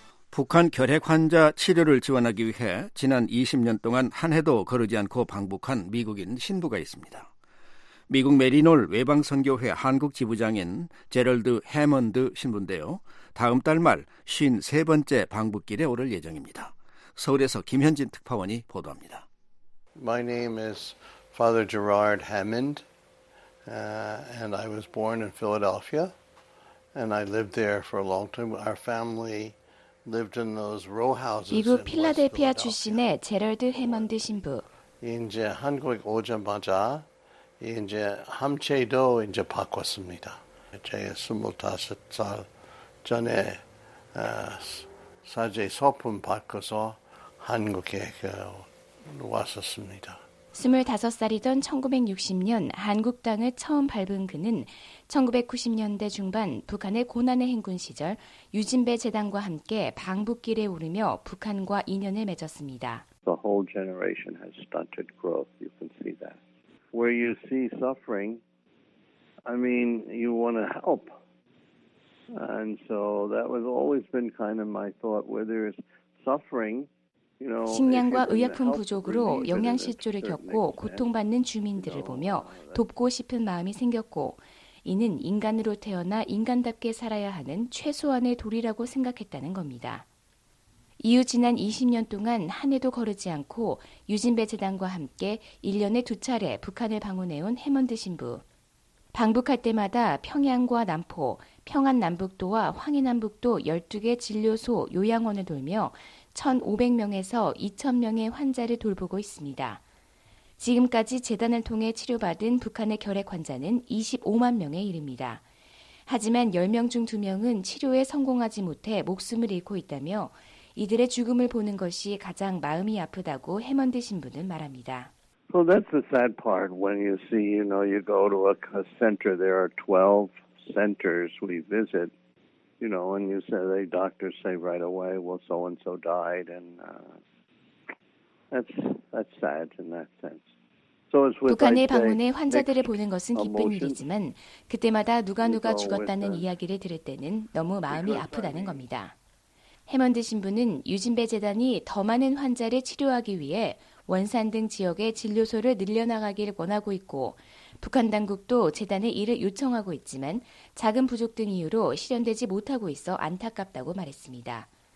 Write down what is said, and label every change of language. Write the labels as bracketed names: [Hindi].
[Korean] 북한 결핵 환자 치료를 지원하기 위해 지난 20년 동안 한 해도 거르지 않고 방북한 미국인 신부가 있습니다. 미국 메리놀 외방선교회 한국 지부장인 제럴드 해먼드 신부인데요. 다음 달 말 53번째 방북길에 오를 예정입니다. 서울에서 김현진 특파원이 보도합니다. [English] My name is Father Gerard Hammond, and I was born in Philadelphia, and I lived there for a long time. Our family lived in those row houses. [Korean] 미국 필라델피아 출신의 제럴드 해먼드 신부. 이제 한국 오자마자 이제 함체도 이제 바꿨습니다. 제 25살 전에 사제 소품 받고서 한국에 왔었습니다. 25살이던 1960년 한국 땅을 처음 밟은 그는 1990년대 중반 북한의 고난의 행군 시절 유진배 재단과 함께 방북길에 오르며 북한과 인연을 맺었습니다. [English] The whole generation has stunted growth. You can see that. Where you see suffering, I mean, you want to help. And so that was always been kind of my thought. Where there is suffering, you know. [Korean] 식량과 의약품 부족으로 영양 실조를 겪고 고통받는 주민들을 보며 돕고 싶은 마음이 생겼고, 이는 인간으로 태어나 인간답게 살아야 하는 최소한의 도리라고 생각했다는 겁니다. 이후 지난 20년 동안 한 해도 거르지 않고 유진배 재단과 함께 1년에 두 차례 북한을 방문해온 해먼드 신부. 방북할 때마다 평양과 남포, 평안남북도와 황해남북도 12개 진료소, 요양원을 돌며 1,500명에서 2,000명의 환자를 돌보고 있습니다. 지금까지 재단을 통해 치료받은 북한의 결핵 환자는 25만 명에 이릅니다. 하지만 10명 중 2명은 치료에 성공하지 못해 목숨을 잃고 있다며 이들의 죽음을 보는 것이 가장 마음이 아프다고 해먼드 신부는 말합니다. [English] So that's the sad part when you see, you know, you go to a center, there are 12 centers we visit, you know, and you say, the doctors say right away, well, so and so died, and that's sad in that sense. [Korean] 북한에 방문해 환자들을 보는 것은 기쁜 일이지만 그때마다 누가 죽었다는 이야기를 들을 때는 너무 마음이 아프다는 겁니다. 해먼드 신부는 유진배 재단이 더 많은 환자를 치료하기 위해 원산 등 지역의 진료소를 늘려나가기를 원하고 있고 북한 당국도 재단에 이를 요청하고 있지만 자금 부족 등 이유로 실현되지 못하고 있어 안타깝다고 말했습니다.